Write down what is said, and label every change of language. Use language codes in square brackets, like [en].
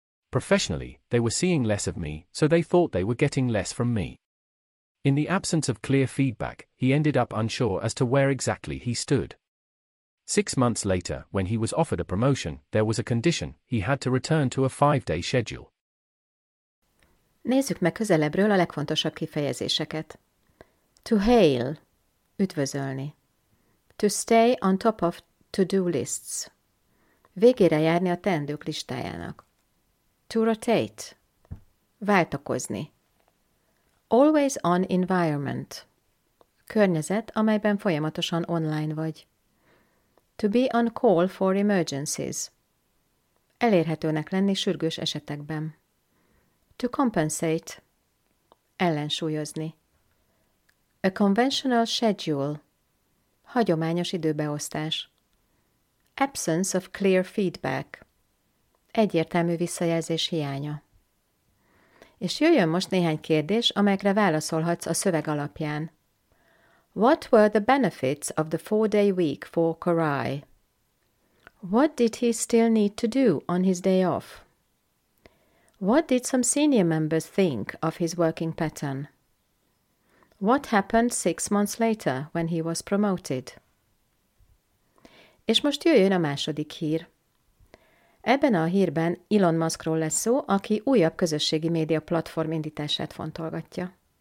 [en] "Professionally, they were seeing less of me, so they thought they were getting less from me." In the absence of clear feedback, he ended up unsure as to where exactly he stood. 6 months later, when he was offered a promotion, there was a condition: he had to return to a 5-day schedule. [hu] Nézzük meg közelebbről a legfontosabb kifejezéseket. [en] To hail, [hu] üdvözölni. [en] To stay on top of to-do lists. [hu] Végére járni a teendők listájának. [en] To rotate, [hu] váltakozni. [en] Always on environment. [hu] Környezet, amelyben folyamatosan online vagy. [en] To be on call for emergencies. [hu] Elérhetőnek lenni sürgős esetekben. [en] To compensate. [hu] Ellensúlyozni. [en] A conventional schedule. [hu] Hagyományos időbeosztás. [en] Absence of clear feedback. [hu] Egyértelmű visszajelzés hiánya. És jöjjön most néhány kérdés, amelyekre válaszolhatsz a szöveg alapján. [en] What were the benefits of the 4-day week for Kauri? What did he still need to do on his day off? What did some senior members think of his working pattern? What happened 6 months later when he was promoted? [hu] És most jöjjön a második hír. Ebben a hírben Elon Muskról lesz szó, aki újabb közösségi média platform indítását fontolgatja.